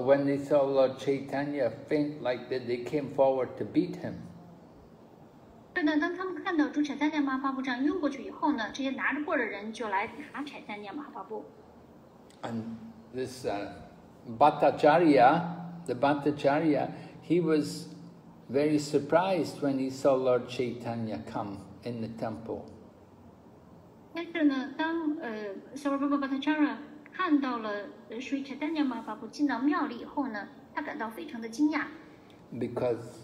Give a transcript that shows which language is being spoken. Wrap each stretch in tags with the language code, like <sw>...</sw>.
<en>when they saw Lord Chaitanya faint like that, they came forward to beat him.</en> <zh>对的，当他们看到主柴丹尼马巴布这样晕过去以后呢，这些拿着棍儿的人就来打柴丹尼马巴布。</zh> <en>And this Bhattacharya, he was very surprised when he saw Lord Chaitanya come in the temple.</en> <zh>但是呢，当Sarvabhauma Bhattacharya看到了Sri Chaitanya Mahaprabhu进到庙里以后呢，他感到非常的惊讶。</zh> <en>Because</en>